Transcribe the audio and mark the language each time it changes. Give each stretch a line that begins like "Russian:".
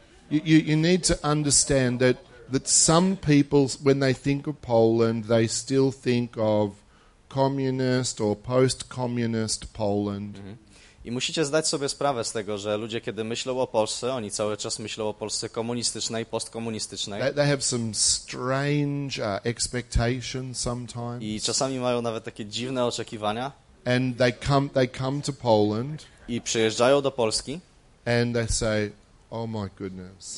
English: You need to understand that. That some people, when they think of Poland, they still think of communist or post-communist Poland. Mm-hmm.
Polish: I musicie zdać sobie sprawę z tego, że ludzie, kiedy myślą o Polsce, oni cały czas myślą o Polsce komunistycznej, postkomunistycznej.
English: They have some strange expectations sometimes.
Polish: I czasami mają nawet takie dziwne oczekiwania.
English: And they come to Poland.
Polish: I przyjeżdżają do Polski.
English: And they say, oh my goodness.